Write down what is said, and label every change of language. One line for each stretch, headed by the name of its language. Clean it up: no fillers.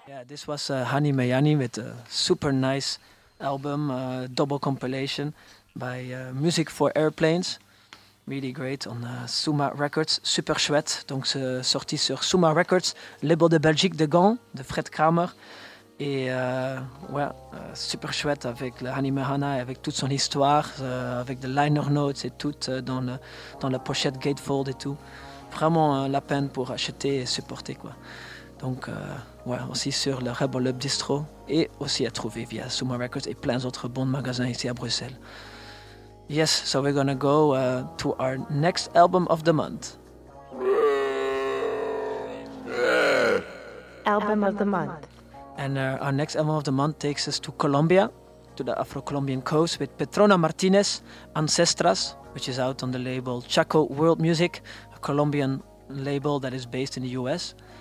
English: Yeah, this was Hani Mayani with a super nice album, double compilation by Music for Airplanes. Really great on Suma Records,
French: super chouette. Donc sorti sur Suma Records, label de Belgique de Gand, de Fred Kramer. Et ouais, super chouette avec le Hani Mahana, avec toute son histoire, avec de liner notes et tout dans la pochette Gatefold et tout. Vraiment la peine pour acheter et supporter quoi. Donc ouais, aussi sur le Rebel Up Distro et aussi à trouver via Suma Records et plein d'autres bons magasins ici à Bruxelles.
English: Yes, so we're gonna go to our next album of the month. Album of the month. And our next album of the month takes us to Colombia, to the Afro-Colombian coast with Petrona Martinez, Ancestras, which is out on the label Chaco World Music, a Colombian label that is based in the US.